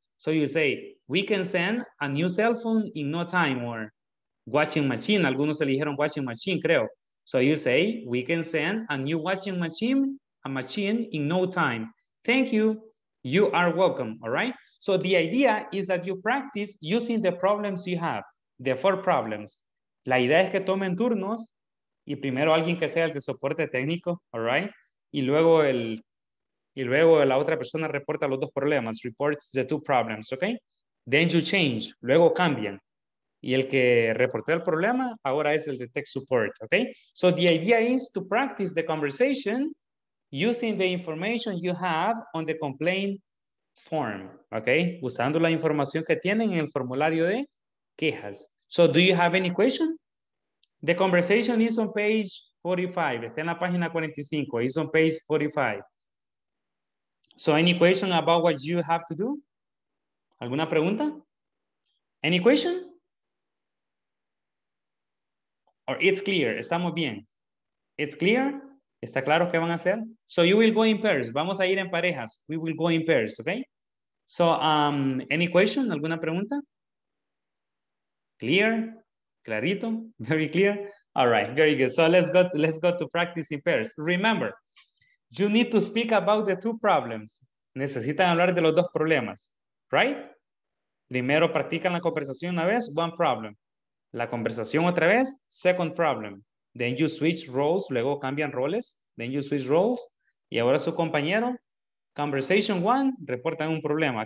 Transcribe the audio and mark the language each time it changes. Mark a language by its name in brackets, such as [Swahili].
[English] So you say, we can send a new cell phone in no time or washing machine. [Spanish] Algunos eligieron washing machine, creo. [English] So you say, we can send a new washing machine, a machine in no time. Thank you. You are welcome. All right. So the idea is that you practice using the problems you have, the four problems. [Spanish] La idea es que tomen turnos y primero alguien que sea el de soporte técnico. [English] All right. [Spanish] Y luego la otra persona reporta los dos problemas, [English] reports the two problems, [Spanish] okay? [English] Then you change, [Spanish] luego cambian. Y el que reportó el problema ahora es el de tech support, okay? [English] So the idea is to practice the conversation using the information you have on the complaint form, okay? [Spanish] Usando la información que tienen en el formulario de quejas. [English] So do you have any question? The conversation is on page 45, [Spanish] está en la página 45, [English] it's on page 45. So any question about what you have to do? [Spanish] ¿Alguna pregunta? [English] Any question? Or it's clear, [Spanish] estamos bien. [English] It's clear? [Spanish] ¿Está claro qué van a hacer? [English] So you will go in pairs, [Spanish] vamos a ir en parejas. [English] We will go in pairs, okay? So any question, [Spanish] ¿alguna pregunta? [English] Clear? [Spanish] Clarito? [English] Very clear? All right, very good. So let's go to practice in pairs. Remember, you need to speak about the two problems. [Spanish] Necesitan hablar de los dos problemas, right? Primero practican la conversación una vez, [English] one problem. [Spanish] La conversación otra vez, [English] second problem. Then you switch roles, [Spanish] luego cambian roles. [English] Then you switch roles. [Spanish] Y ahora su compañero, [English] conversation one, [Spanish] reportan un problema.